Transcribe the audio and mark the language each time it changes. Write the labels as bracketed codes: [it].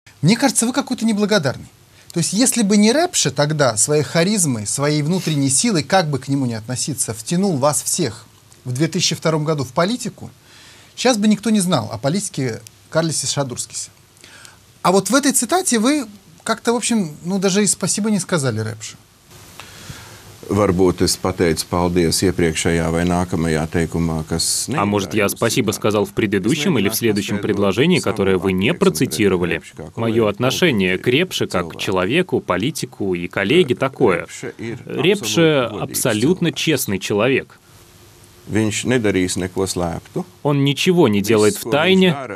[ru] Мне кажется, вы какой-то неблагодарный. То есть, если бы не Репши, тогда своей харизмой, своей внутренней силой, как бы к нему ни относиться, втянул вас всех в 2002 году в политику, сейчас бы никто не знал о политике Карлисе Шадурскисе. А вот в этой цитате вы как-то, в общем, ну, даже и спасибо не сказали Рэпшу. [lv] Varbūt es pateicu paldies iepriekšējā vai nākamajā teikumā, kas... [ru] А может, я спасибо сказал в предыдущем или в следующем предложении, которое вы не процитировали? Мое отношение к Репше как к человеку, политику и коллеге такое. Репше — абсолютно честный человек. Он ничего не делает в тайне.